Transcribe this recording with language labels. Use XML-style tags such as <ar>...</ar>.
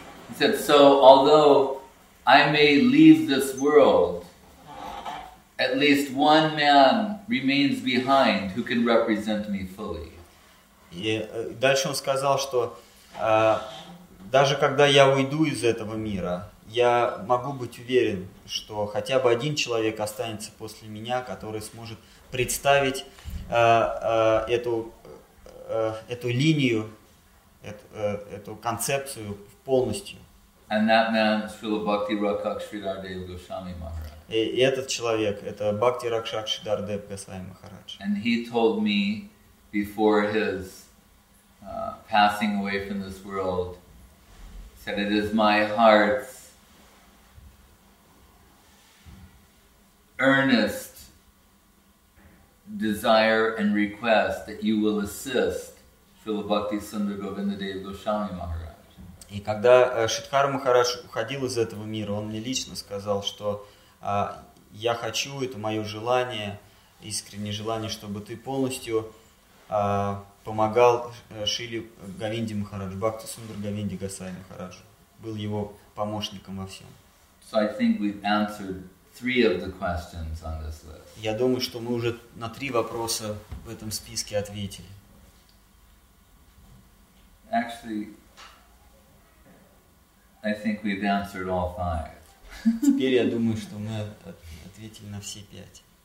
<en>He said, so although I may leave this world, at least one man remains behind who can represent me fully.</en> <ru>И дальше он сказал, что даже когда я уйду из этого мира, я могу быть уверен, что хотя бы один человек останется после меня, который сможет представить эту линию, эту концепцию полностью.</ru> <en>And that man is Srila Bhakti Rakshak Sridhar Dev Goswami Maharaj.</en> <ru>И этот человек это Бхакти Ракшак Шридхар Дев Госвами Махарадж.</ru> <en>And he told me before his passing away from this world, said it is my heart's earnest desire and request that you will assist Srila Bhakti Sundar Govinda Dev Goswami Maharaj.</en> <ru>И когда Шридхар Махарадж уходил из этого мира, он мне лично сказал, что я хочу, это мое желание, искреннее желание, чтобы ты полностью помогал Шиле Говинде Махарадж, Бхакти Сундар Говинде Госвами Махараджу, был его помощником во всем.</ru> <en>So I think we've answered three of the questions on this list.</en> <ru>Я думаю, что мы уже на три вопроса в этом списке ответили.</ru> <en>Actually, I think we've answered all five.</en> <ru>Теперь я думаю, что мы ответили на все пять.</ru>